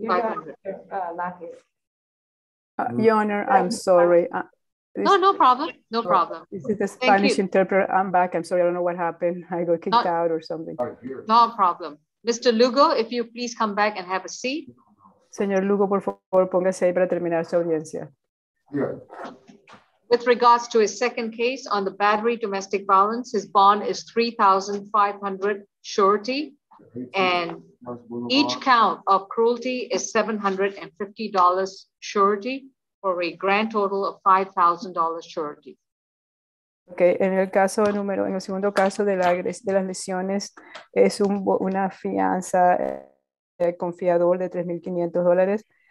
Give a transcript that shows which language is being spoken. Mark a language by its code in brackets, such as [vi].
[en] 500. Your Honor, I'm sorry. No problem. This is the Spanish interpreter. I'm back. I'm sorry. I don't know what happened. I got kicked out or something. No problem. Mr. Lugo, if you please come back and have a seat. [es] Señor Lugo, por favor, póngase ahí para terminar su audiencia. [en] With regards to his second case on the battery domestic violence, his bond is 3,500 surety, and each count of cruelty is $750 surety for a grand total of $5,000 surety. [es] Okay, en el caso de número, en el segundo caso de las lesiones, es un, una fianza confiador de $3,500.